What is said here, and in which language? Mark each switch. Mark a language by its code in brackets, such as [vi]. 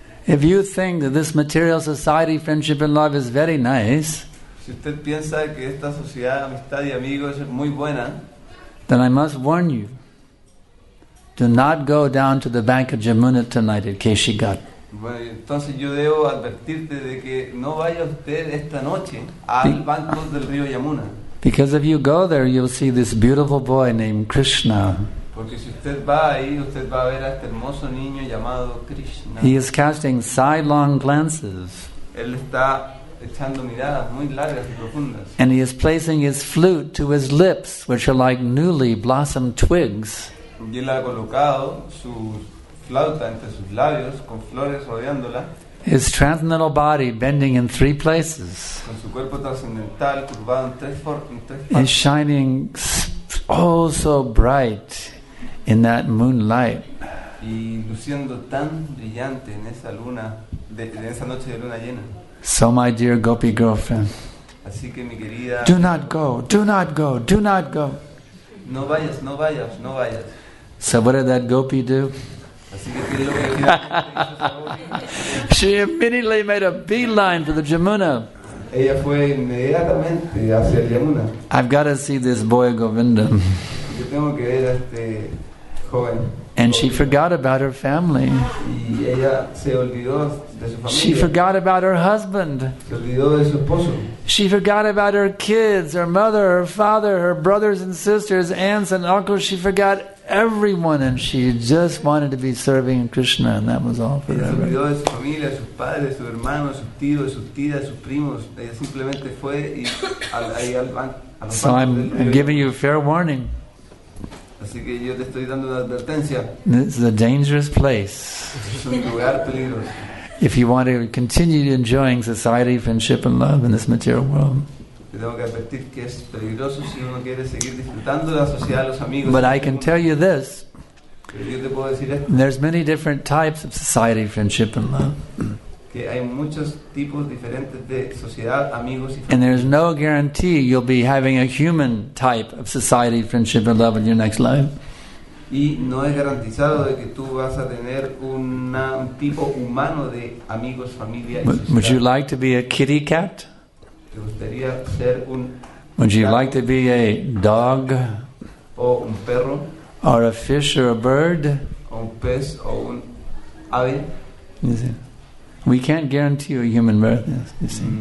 [en] if you think that this material society, friendship and love is very nice, [es] si usted piensa que esta sociedad, amistad y amigos es muy buena, [en] then I must warn you, do not go down to the bank of Jamuna tonight at Keshigat. [es] Bueno, entonces yo debo advertirte de que no vaya usted esta noche al banco del río Yamuna. [en] Because if you go there, you'll see this beautiful boy named Krishna. [es] Porque si usted va ahí, usted va a ver a este hermoso niño llamado Krishna. [en] He is casting sidelong glances. [es] Él está echando miradas muy largas y profundas. [en] And he is placing his flute to his lips, which are like newly blossomed twigs. [es] Y él ha colocado su flauta entre sus labios, con flores rodeándola. [en] His transcendental body bending in three places. [es] Con su cuerpo transcendental curvado en tres partes. [en] And shining oh so bright in that moonlight. [es] Y luciendo tan brillante en esa luna, en esa noche de luna llena. [en] So my dear gopi girlfriend, [es] así que mi querida, [en] do not go, do not go, do not go. [es] No vayas, no vayas, no vayas. [en] So what did that gopi do? [es] Así que ¿qué es lo que hizo? [en] She immediately made a beeline for the Jamuna. [es] Ella fue inmediatamente hacia el Yamuna. [en] I've got to see this boy Govinda. [es] Yo tengo que ver a este joven. [en] And she forgot about her family. [es] Y ella se olvidó de su familia. [en] She forgot about her husband. [es] Se olvidó de su esposo. [en] She forgot about her kids, her mother, her father, her brothers and sisters, aunts and uncles. She forgot everyone, and she just wanted to be serving Krishna, and that was all forever. [es] Ella se olvidó de su familia, sus padres, sus hermanos, sus tíos, sus tías, sus primos. Ella simplemente fue y al banco. [en] So I'm giving you a fair warning. [es] Así que yo te estoy dando una advertencia. [en] This is a dangerous place. [es] Es un lugar peligroso. [en] If you want to continue enjoying society, friendship, and love in this material world. [es] Te tengo que advertir que es peligroso si uno quiere seguir disfrutando la sociedad, los amigos. [en] But I can tell you this. [es] Pero yo te puedo decir esto. [en] There's many different types of society, friendship, and love. [es] Que hay muchos tipos diferentes de sociedad, amigos y familia. [en] And there's no guarantee you'll be having a human type of society, friendship, and love in your next life. [es] Y no es garantizado de que tú vas a tener un tipo humano de amigos, familia y sociedad. [en] Would you like to be a kitty cat? [es] ¿Te gustaría ser un [en] Would you like to be a dog? [es] O un perro. [en] Or a fish or a bird? [es] O un pez o un hábil. [en] You see? We can't guarantee you a human birth. You see?